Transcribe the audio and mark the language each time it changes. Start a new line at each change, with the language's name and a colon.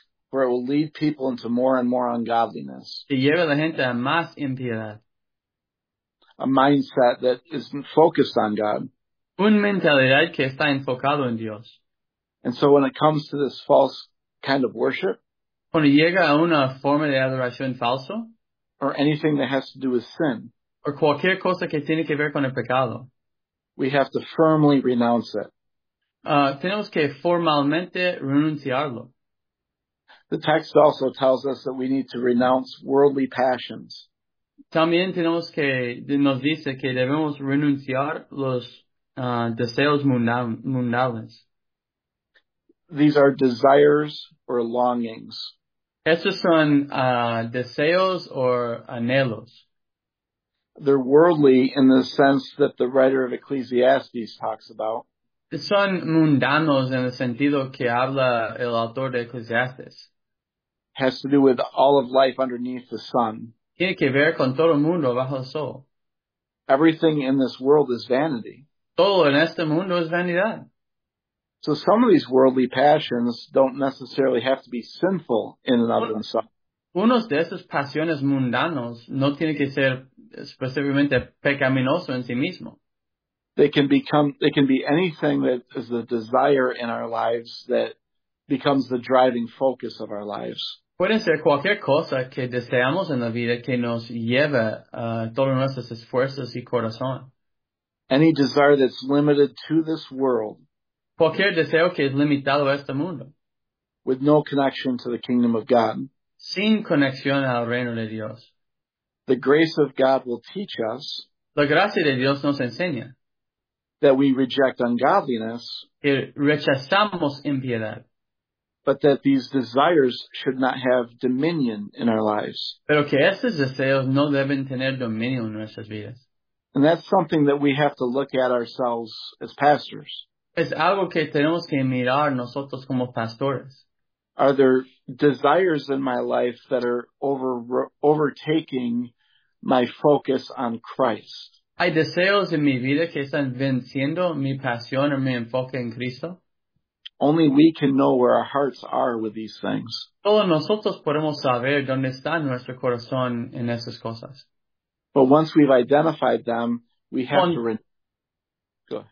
English: For it will lead people into more and more ungodliness.
Spanish: Y lleva a la gente a más impiedad.
English: A mindset that isn't focused on God.
Spanish: Una mentalidad que está enfocado en Dios.
English: And so when it comes to this false kind of worship,
Spanish: cuando llega a una forma de adoración falso,
English: or anything that has to do with sin,
Spanish: o cualquier cosa que tiene que ver con el pecado,
English: we have to firmly renounce it.
Spanish: Tenemos que formalmente renunciarlo.
English: The text also tells us that we need to renounce worldly passions.
Spanish: También tenemos que, nos dice que debemos renunciar los deseos mundanos.
English: These are desires or longings.
Spanish: Estos son deseos or anhelos.
English: They're worldly in the sense that the writer of Ecclesiastes talks about.
Spanish: Son mundanos en el sentido que habla el autor de Ecclesiastes.
English: Has to do with all of life underneath the sun.
Spanish: Tiene que ver con todo el mundo bajo el sol.
English: Everything in this world is vanity.
Spanish: Todo en este mundo es vanidad.
English: So some of these worldly passions don't necessarily have to be sinful in and of themselves.
Spanish: Unos de esas pasiones mundanos no tiene que ser específicamente pecaminoso en sí mismo.
English: They can be anything that is the desire in our lives that becomes the driving focus of our lives.
Spanish: Pueden ser cualquier cosa que deseamos en la vida que nos lleva a todos nuestros esfuerzos y corazón.
English: Any desire that's limited to this world.
Spanish: Cualquier deseo que es limitado a este mundo.
English: With no connection to the kingdom of God.
Spanish: Sin conexión al reino de Dios.
English: The grace of God will teach us.
Spanish: La gracia de Dios nos enseña.
English: That we reject ungodliness.
Spanish: Que rechazamos impiedad.
English: But that these desires should not have dominion in our lives.
Spanish: Pero que estos deseos no deben tener dominio en nuestras vidas.
English: And that's something that we have to look at ourselves as pastors.
Spanish: Es algo que tenemos que mirar nosotros como pastores.
English: Are there desires in my life that are overtaking my focus on Christ?
Spanish: ¿Hay deseos en mi vida que están venciendo mi pasión o mi enfoque en Cristo?
English: Only we can know where our hearts are with these things.
Spanish: Solo nosotros podemos saber dónde está nuestro corazón en esas cosas.
English: But once we've identified them, we have to redeem.